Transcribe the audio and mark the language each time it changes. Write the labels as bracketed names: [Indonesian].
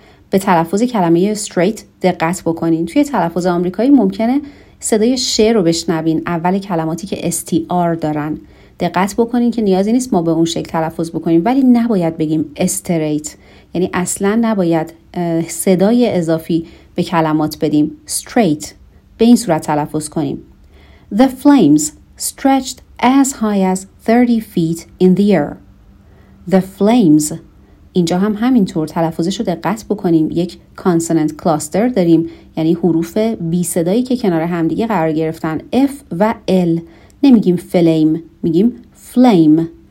[Persian] به تلفظ کلمه straight دقت بکنین. توی تلفظ آمریکایی ممکنه صدای ش رو بشنوین، اول کلماتی که str دارن. دقت بکنین که نیازی نیست ما به اون شکل تلفظ بکنیم، ولی نباید بگیم straight، یعنی اصلا نباید صدای اضافی به کلمات بدیم. straight به این صورت تلفظ کنیم. [English] The flames stretched as high as 30 feet in the air. [Persian] The flames، اینجا هم همینطور تلفظش رو دقت بکنیم، یک consonant cluster داریم، یعنی حروف بی صدایی که کنار همدیگه قرار گرفتن، F و L. نمیگیم flame، میگیم flame.